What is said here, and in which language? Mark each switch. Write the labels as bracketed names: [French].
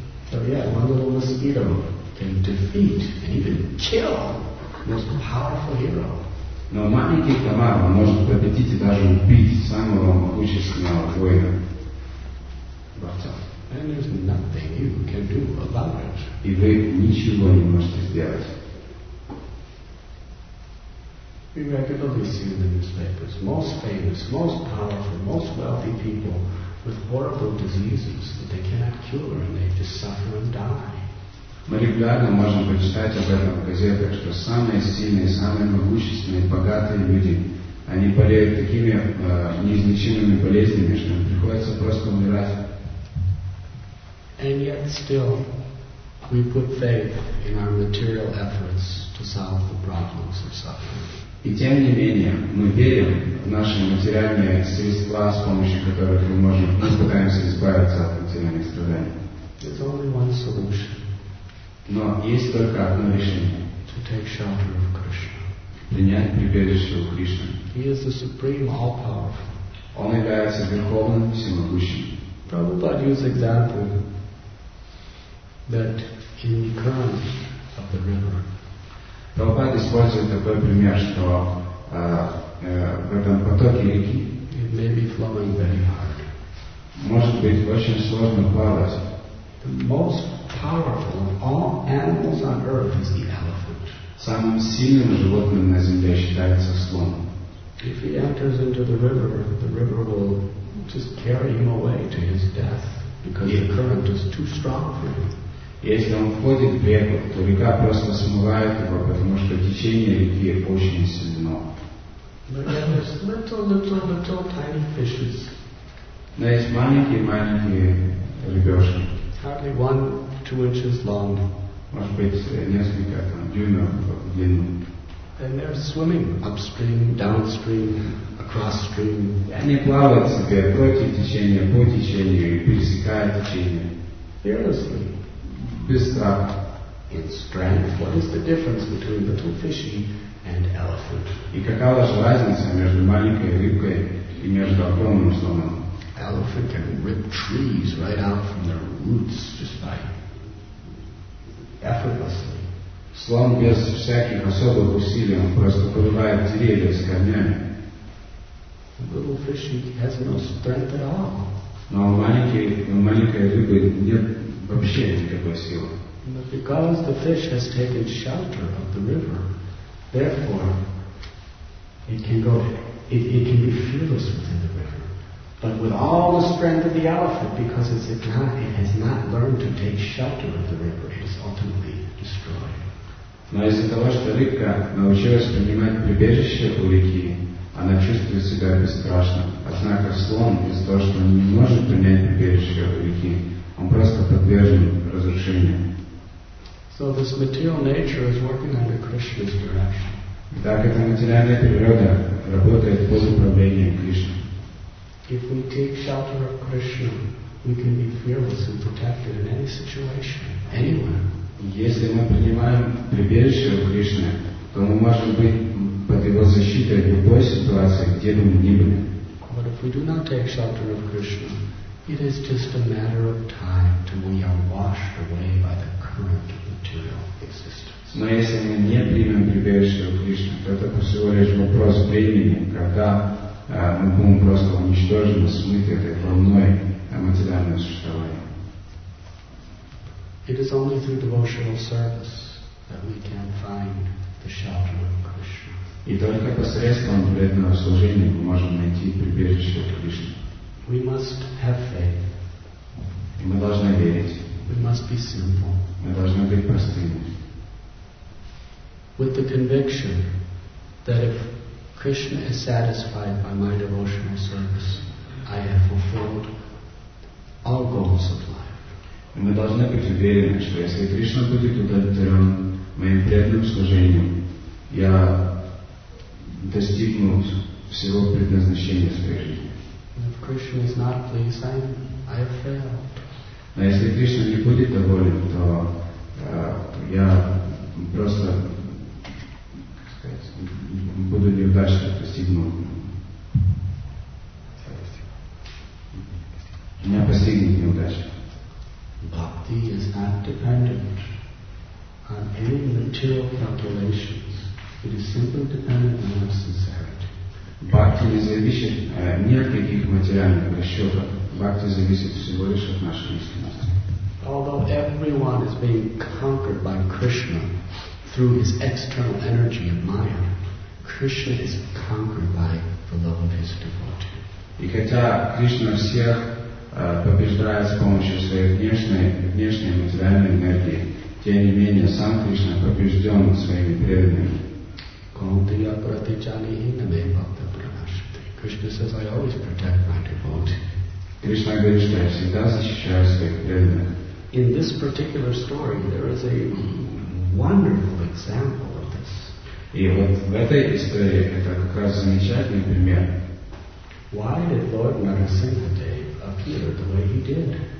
[English] So yeah, one little mosquito can defeat and even kill the most powerful hero. [Russian] Но маленький комар может победить и даже убить самого могущественного воина. [English] And there's nothing you can do about it. [Russian] И вы ничего не можете сделать. [English] We regularly see in the newspapers most famous, most powerful, most wealthy people with horrible diseases that they cannot cure, and they just suffer and die. [Russian] Мы регулярно можем прочитать об этом в газетах, что самые сильные, самые могущественные, богатые люди, они болеют такими неизлечимыми болезнями, что им приходится просто умирать. [English] And yet still, we put faith in our material efforts to solve the problems of suffering. [Russian] И тем не менее, мы верим в наши материальные средства, с помощью которых мы можем, мы пытаемся избавиться от материальных страданий. [English] There's only one solution. [Russian] Но есть только одно решение. [English] To take shelter of Krishna. [Russian] Принять прибежище у Кришны. [English] He is the supreme all-powerful. [Russian] Он является верховным всемогущим. [English] Prabhupada used example that in the current of the river. [Russian] Prabhupada использует такой пример, что в этом потоке реки. [English] It may be flowing very hard. [Russian] Может быть очень сложно плавать. [English] The most powerful of all animals on earth is the elephant. [Russian] Самым сильным животным на земле считается слон. [English] If he enters into the river will just carry him away to his death because the current is too strong for him. [Russian] Если он входит в реку, то река просто смывает его, потому что течение реки очень сильно. [English] But there's little tiny fishes. [Russian] Но есть маленькие рыбешки. [English] Hardly 1-2 inches long. [Russian] Может быть несколько там дюймов в длину. [English] And they're swimming upstream, downstream, across stream. [Russian] Они плавают себе против течения, по течению и пересекают течение. [English] Fearlessly. [Russian] Без страха. [English] In strength. What is the difference between little fishy and elephant? [Russian] И какова же разница между маленькой рыбкой и между огромным слоном? [English] Elephant can rip trees right out from their roots just by effortlessly. [Russian] Слон без всяких особых усилий, он просто вырывает деревья с корнями. [English] The little fish has no strength at all. [Russian] Но у маленькой рыбы нет вообще никакой силы. [English] But because the fish has taken shelter of the river, therefore it can go, it can be fearless within the river. But with all the strength of the elephant, because it has not learned to take shelter of the river, it is ultimately destroyed. [Russian] Но из-за того, что рыбка научилась принимать прибежище у реки, она чувствует себя бесстрашно. Однако слон, из-за того, что он не может принять прибежище у реки, он просто подвержен разрушению. [English] So this material nature is working under Krishna's direction. [Russian] Итак, эта материальная природа работает под управлением Кришны. [English] If we take shelter of Krishna, we can be fearless and protected in any situation, anywhere. [Russian] Если мы принимаем прибежище у Кришны, то мы можем быть под его защитой в любой ситуации, где бы мы ни были. [English] But if we do not take shelter of Krishna, it is just a matter of time till we are washed away by the current of material existence. [Russian] Но если мы не примем прибежище у Кришны, то это всего лишь вопрос времени, когда мы будем просто уничтожены, смыты этой волной материального существования. [English] It is only through devotional service that we can find the shelter of Krishna. [Russian] И только посредством преданного служения мы можем найти прибежище от Кришны. [English] We must have faith. [Russian] И мы должны верить. [English] We must be simple. [Russian] Мы должны быть простыми. [English] With the conviction that if Krishna is satisfied by my devotional service, I have fulfilled all goals of life. [Russian] И мы должны быть уверены, что если Кришна будет удовлетворен моим преданным служением, я достигну всего предназначения своей жизни. [English] If Krishna is not pleased, I have failed. [Russian] Но если Кришна не будет доволен, то я просто, как сказать, буду неудачно достигнут. Меня постигнет неудача. [English] Bhakti is not dependent on any material calculations. It is simply dependent on our sincerity. [Russian] Bhakti не зависит ни от каких материальных расчетов. Bhakti зависит всего лишь от нашей искренности. [English] Although everyone is being conquered by Krishna through his external energy of Maya, Krishna is conquered by the love of his devotee. [Russian] И хотя Кришна всех побеждает с помощью своей внешней материальной энергии. Тем не менее, сам Кришна побежден своими преданными. [Sanskrit] Kauntiya pratichani hinabe bhakta pranashati. [English] Krishna says, I always protect my devotee. [Russian] Krishna говорит, что я всегда защищаю своих преданных. [English] In this particular story, there is a wonderful example of this. [Russian] И вот в этой истории это как раз замечательный пример. [English] Why did Lord Narasimhadev appear the way he did?